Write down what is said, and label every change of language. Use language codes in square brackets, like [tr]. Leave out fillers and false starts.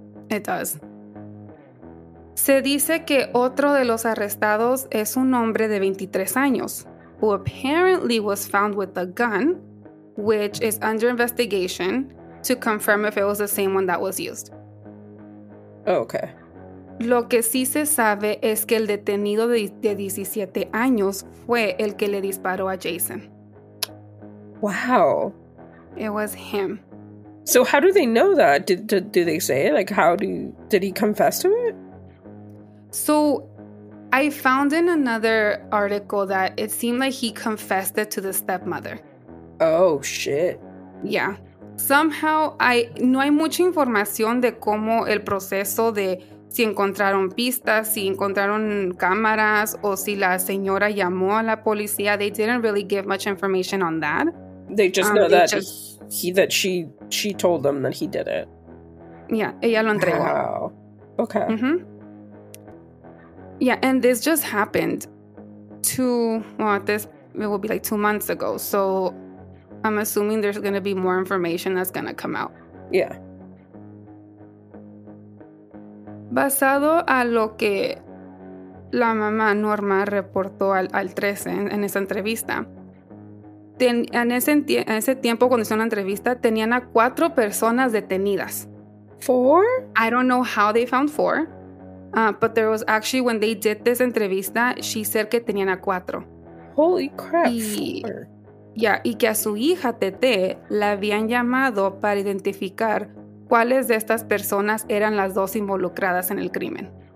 [en] It does. [es] Se dice que otro de los arrestados es un hombre de 23 años, [en] who apparently was found with a gun, which is under investigation to confirm if it was the same one that was used. Okay. [es] Lo que sí se sabe es que el detenido de 17 años fue el que le disparó a Jason. [en] Wow. It was him. So how do they know that? Did they say it? Like, did he confess to it? So I found in another article that it seemed like he confessed it to the stepmother. Oh, shit. Yeah. [es] Somehow, no hay mucha información de cómo el proceso de si encontraron pistas, si encontraron cámaras, o si la señora llamó a la policía. [en] They didn't really give much information on that. They just know that she told them that he did it. [es] Yeah, ella lo entregó. [en] Wow. Okay. Mm-hmm. Yeah, and this just happened it will be 2 months ago. So I'm assuming there's going to be more information that's going to come out. Yeah. [es] Basado a lo que la mamá Norma reportó al 13 en esa entrevista, en ese tiempo cuando hizo una entrevista, tenían a 4 personas detenidas. [en] 4? I don't know how they found 4. But there was actually, when they did this entrevista, she said [es] que tenían a 4. [en] Holy crap. [es] Y que a su hija, Tete, la habían llamado para identificar cuáles de estas personas eran las 2 involucradas en el crimen.